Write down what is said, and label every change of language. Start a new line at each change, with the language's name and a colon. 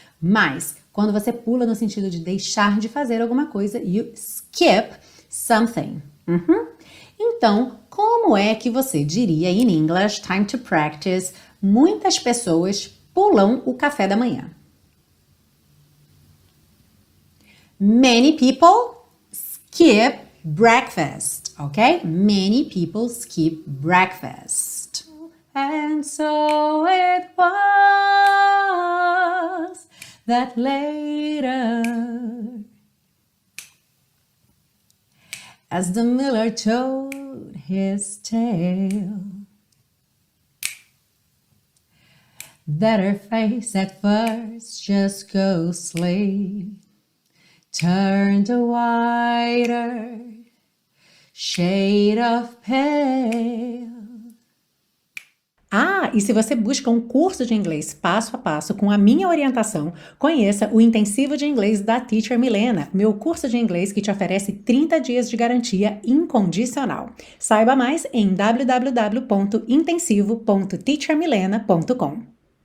Portuguese: Mas, quando você pula no sentido de deixar de fazer alguma coisa,
English: you skip something.
Portuguese: Uhum. Então, como é que você diria
English: in English, time to practice,
Portuguese: muitas pessoas pulam o café da manhã?
English: Many people skip breakfast, ok? Many people skip breakfast. And so it was that later, as the miller told his tale, that her face at first just ghostly turned a whiter shade of pale.
Portuguese: Ah, e se você busca um curso de inglês passo a passo com a minha orientação, conheça o Intensivo de Inglês da Teacher Milena, meu curso de inglês que te oferece 30 dias de garantia incondicional. Saiba mais em www.intensivo.teachermilena.com.